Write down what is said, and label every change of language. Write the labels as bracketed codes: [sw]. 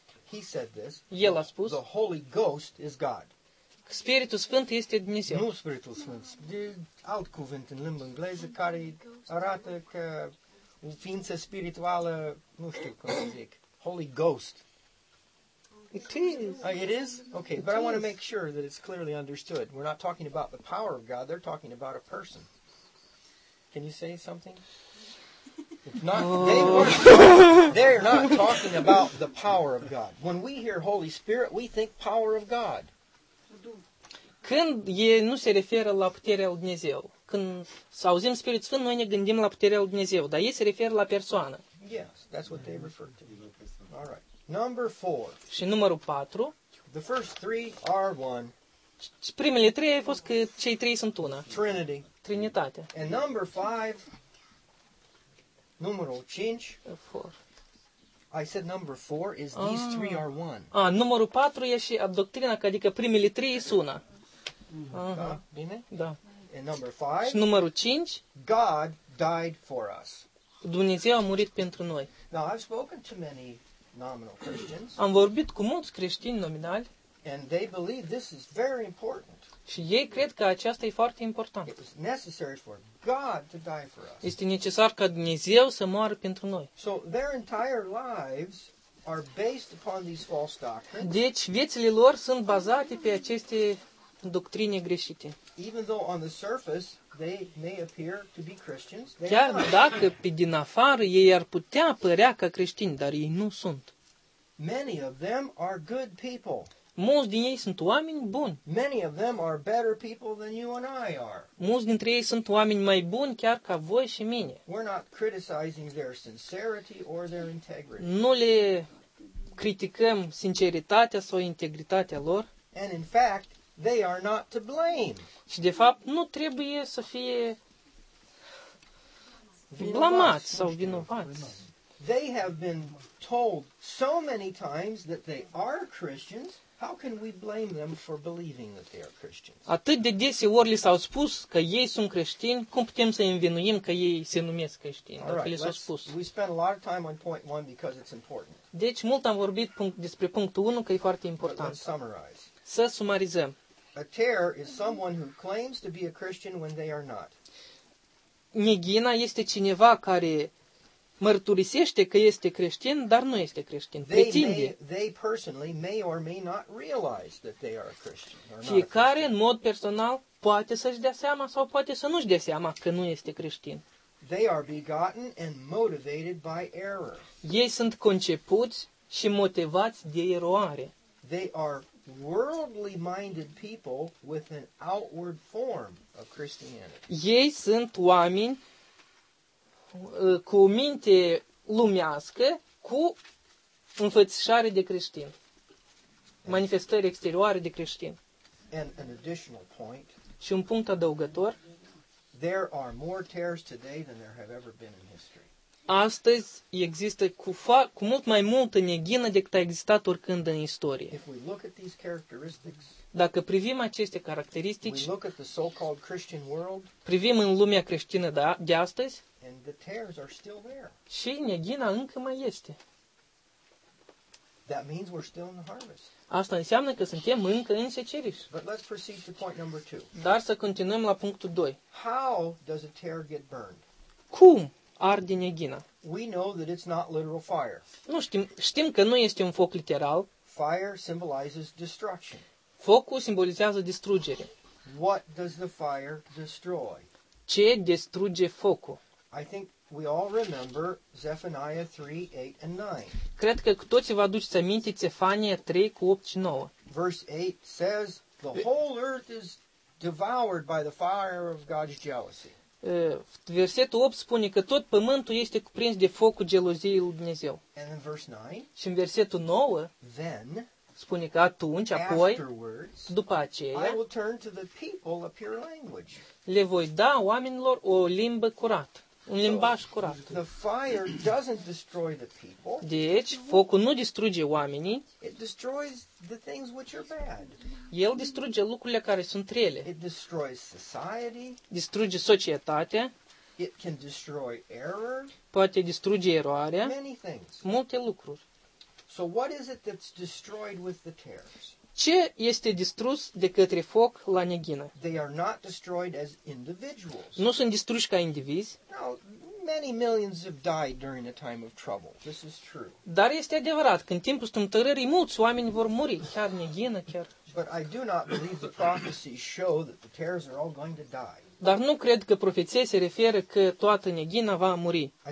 [en] He said this. [ro] El a spus. [en] The Holy Ghost is God. [ro] Spiritul Sfânt este Dumnezeu. Nu Spiritul Sfânt. De alt cuvânt în limba engleză care arată că o ființă spirituală, nu știu cum să zic. [en] Holy Ghost. It is. It is? Okay, but I want to make sure that it's clearly understood. We're not talking about the power of God. They're talking about a person. Can you say something? They're not talking about the power of God. When we hear Holy Spirit, we think power of God. [ro] Când ei nu se referă la puterea lui Dumnezeu, când auzim Spirit Sfânt, noi ne gândim la puterea lui Dumnezeu, dar ei se referă la persoană. [en] Yes, that's what they refer to. All right. Number 4. [ro] Și numărul 4. [en] The first three are one. [ro] Primele trei au fost că cei trei sunt una. [en] Trinity. [ro] Trinitate. [en] And number 5. [ro] Numărul 5. [en] 4. I said number 4 is these three are one. [ro] Ah, numărul 4 e și doctrina că adică primele trei sunt una. Da, bine? Da. [en] And number 5. [ro] Și numărul 5. [en] God died for us. [ro] Dumnezeu a murit pentru noi. [en] Now, I've spoken to many nominal Christians. [ro] Am vorbit cu mulți creștini nominali. [en] And they believe this is very important. [ro] Și ei cred că aceasta e foarte important. [en] It was necessary for God to die for us. [ro] Este necesar ca Dumnezeu să moară pentru noi. [en] So their entire lives are based upon these false doctrines. [ro] Deci viețile lor sunt bazate pe aceste doctrine greșite. [en] Even though on the surface they may appear to be Christians, they [ro] chiar dacă pe din afară ei ar putea părea ca creștini, dar ei nu sunt. [en] Many of them are good people. [ro] Mulți din ei sunt oameni buni. [en] Many of them are better people than you and I are. [ro] Mulți dintre ei sunt oameni mai buni chiar ca voi și mine. [en] We're not criticizing their sincerity or their integrity. [ro] Nu le criticăm sinceritatea sau integritatea lor. [en] And in fact, they are not to blame. [ro] Și de fapt, nu trebuie să fie blamați sau vinovați. [en] They have been told so many times that they are Christians. How can we blame them for believing that they are Christians? [ro] Atât de dese ori li s-au spus că ei sunt creștini, cum putem să îi învinuim că ei se numesc creștini, dacă [en] right, [ro] li s-au spus? [en] We spent a lot of time on point one because it's important. [ro] Deci mult am vorbit despre punctul 1 că e foarte important. [en] Let's summarize. [ro] Să sumarizăm. [en] A tear is someone who claims to be a Christian when they are not. [ro] Neghina este cineva care mărturisește că este creștin, dar nu este creștin. Pretinde. [en] They personally may or may not realize that they are a Christian. [ro] Fiecare, în mod personal, poate să-și dea seama sau poate să nu-și dea seama că nu este creștin. [en] They are begotten and motivated by error. [ro] Ei sunt concepuți și motivați de eroare. [en] They are worldly-minded people with an outward form of Christianity. [ro] Ei sunt oameni cu minte lumească, cu înfățișare de creștin, manifestări exterioare de creștin. [en] And an additional point. [ro] Și un punct adăugător. [en] There are more tears today than there have ever been in history. [ro] Astăzi există cu mult mai multă neghină decât a existat oricând în istorie. [en] If we look at these characteristics, [ro] dacă privim aceste caracteristici, [en] we look at the so-called Christian world, [ro] privim în lumea creștină de astăzi, [en] and the tears are still there. [ro] Și neghina încă mai este. [en] That means we're still in the harvest. [ro] Asta înseamnă că suntem încă în seceriș. [en] But let's proceed to point number two. [ro] Dar să continuăm la punctul 2. [en] How does a tear get burned? [ro] Cum arde neghina? [en] We know that it's not literal fire. [ro] Nu știm, știm că nu este un foc literal. [en] Fire symbolizes destruction. [ro] Focul simbolizează distrugere. [en] What does the fire destroy? [ro] Ce distruge focul? [en] I think we all remember Zephaniah 3, 8 and 9. [ro] Cred că cu toții vă aduceți aminte Zephaniah 3 cu 8 și 9. [en] Verse 8 says, the whole earth is devoured by the fire of God's jealousy. [ro] Versetul 8 spune că tot pământul este cuprins de focul geloziei lui Dumnezeu. [en] And in verse 9, [ro] și în versetul 9, [en] then, [ro] spune că atunci, apoi, după aceea, [en] I will turn to the people a pure language. [ro] Le voi da oamenilor o limbă curată, un limbaj curat. [en] The fire doesn't destroy the people. [ro] Deci, focul nu distruge oamenii. [en] It destroys the things which are bad. [ro] El distruge lucrurile care sunt rele. [en] It destroys society. [ro] Distruge societatea. [en] It can destroy error. [ro] Poate distruge eroarea. [en] Many things. [ro] Multe lucruri. [en] So what is it that's destroyed with the tares? [ro] Ce este distrus de către foc la neghină? [en] They are not destroyed as individuals. [ro] Nu sunt distruși ca indivizi. [en] Now, many millions have died during a time of trouble. This is true. [ro] Dar este adevărat, că în timpul strâmtărării mulți oameni vor muri, chiar neghină, chiar. [en] But I do not believe the prophecies show that the tares are all going to die. [ro] Dar nu cred că profeția se referă că toată neghina va muri.